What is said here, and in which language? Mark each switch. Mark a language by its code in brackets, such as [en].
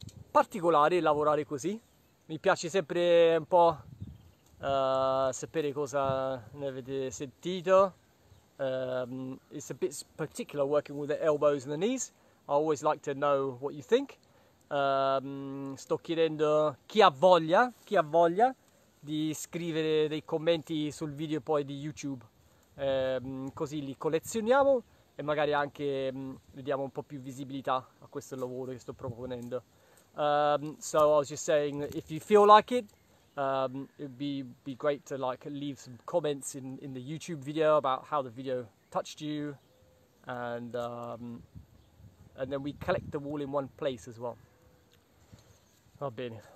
[it] Particolare lavorare così, mi piace sempre un po' sapere cosa ne avete sentito. [en] It's a bit particular working with the elbows and the knees. I always like to know what you think. [it] Sto chiedendo chi ha voglia di scrivere dei commenti sul video poi di YouTube, così li collezioniamo e magari anche diamo un po' più visibilità a questo lavoro che sto proponendo. [en] So I was just saying that if you feel like it, it'd be great to like leave some comments in the YouTube video about how the video touched you, and then we collect them all in one place as well. [it] Va bene.